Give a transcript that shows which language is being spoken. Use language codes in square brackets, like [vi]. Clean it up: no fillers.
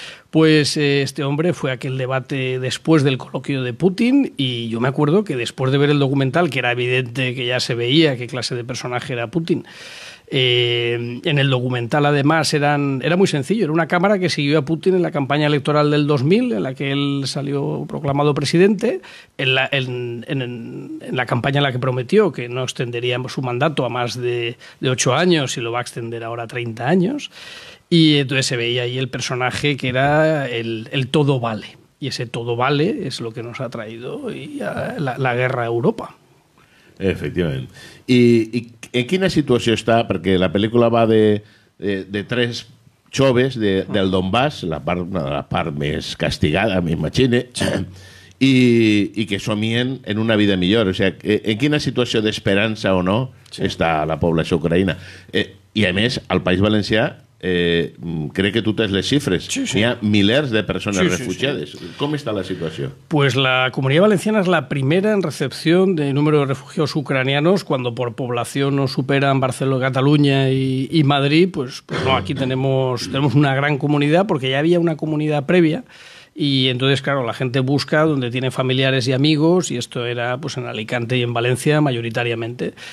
[es] Pues este hombre fue a aquel debate después del coloquio de Putin, y yo me acuerdo que después de ver el documental, que era evidente que ya se veía qué clase de personaje era Putin, en el documental además era muy sencillo, era una cámara que siguió a Putin en la campaña electoral del 2000, en la que él salió proclamado presidente, en la campaña en la que prometió que no extendería su mandato a más de 8 años y lo va a extender ahora a 30 años. Y entonces se veía ahí el personaje que era el todo vale. Y ese todo vale es lo que nos ha traído la guerra a Europa. [ca] Efectivament. I en quina situació està? Perquè la pel·lícula va de tres joves del Donbass, una de les parts més castigada, m'imagine, i que somien en una vida millor. O sigui, en quina situació d'esperança o no està la població ucraïna? I a més, al País Valencià, crec que tu tens les xifres, hi ha milers de persones refugiades. Com està la situació? [es] Pues la Comunidad Valenciana es la primera en recepción de número de refugiados ucranianos, cuando por población no superan Barcelona, Cataluña y Madrid. Pues no, aquí tenemos una gran comunidad, porque ya había una comunidad previa, y entonces claro, la gente busca donde tiene familiares y amigos, y esto era pues en Alicante y en Valencia mayoritariamente.